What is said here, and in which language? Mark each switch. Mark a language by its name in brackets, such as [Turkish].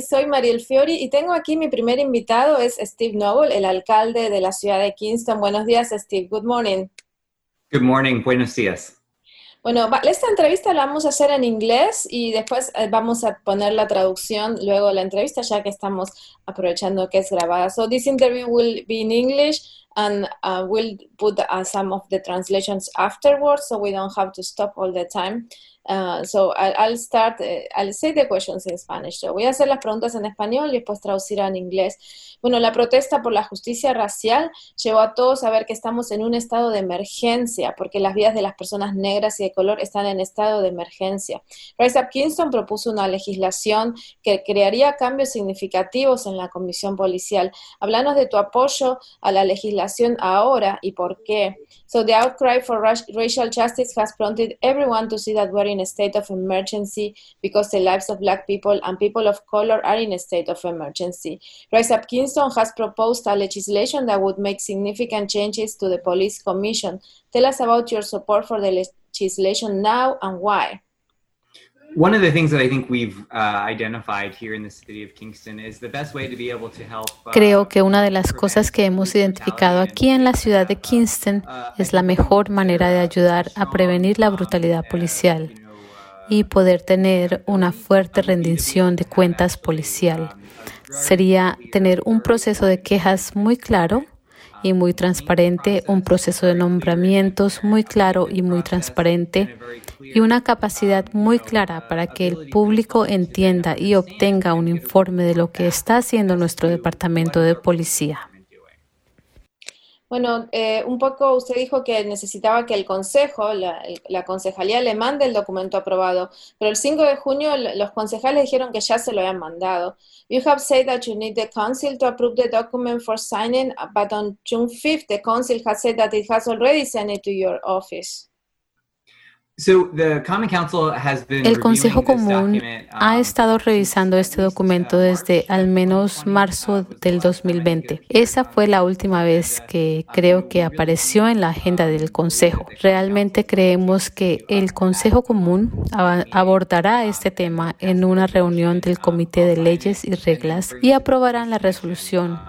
[Spanish] Soy Mariel Fiori y tengo aquí mi primer invitado, es Steve Noble, el alcalde de la ciudad de Kingston. Buenos días, Steve. [English] Good morning. Good morning. [Spanish] Buenos días. Bueno, esta entrevista la vamos a hacer en inglés y después vamos a poner la traducción luego de la entrevista, ya que estamos aprovechando que es grabada. [English] So this interview will be in English, and we'll put some of the translations afterwards, so we don't have to stop all the time. So I'll say the questions in Spanish. [Spanish] So voy a hacer las preguntas en español y después traducirá en inglés. Bueno, la protesta por la justicia racial llevó a todos a ver que estamos en un estado de emergencia, porque las vidas de las personas negras y de color están en estado de emergencia. Rise Up Kingston propuso una legislación que crearía cambios significativos en la comisión policial. Háblanos de tu apoyo a la legislación ahora y por qué. [English] So the outcry for racial justice has prompted everyone to see that we're in a state of emergency because the lives of black people and people of color are in a state of emergency. Rise Up Kingston has proposed a legislation that would make significant changes to the police commission. Tell us about your support for the legislation now and why. One of the things that I think we've identified here in the city of Kingston is the best way to be able to help. [Spanish] Creo que una de las cosas que hemos identificado aquí en la ciudad de Kingston es la mejor manera de ayudar a prevenir la brutalidad policial y poder tener una fuerte rendición de cuentas policial. Sería tener un proceso de quejas muy claro y muy transparente, un proceso de nombramientos muy claro y muy transparente, y una capacidad muy clara para que el público entienda y obtenga un informe de lo que está haciendo nuestro departamento de policía. Bueno, un poco usted dijo que necesitaba que el consejo, la concejalía, le mande el documento aprobado, pero el 5 de junio los concejales dijeron que ya se lo habían mandado. [English] You have said that you need the council to approve the document for signing, but on June 5th, the council has said that it has already sent it to your office. So the Common Council has been. [Spanish] El Consejo Común ha estado revisando este documento desde al menos marzo del 2020. Esa fue la última vez que creo que apareció en la agenda del Consejo. Realmente creemos que el Consejo Común abordará este tema en una reunión del Comité de Leyes y Reglas y aprobarán la resolución.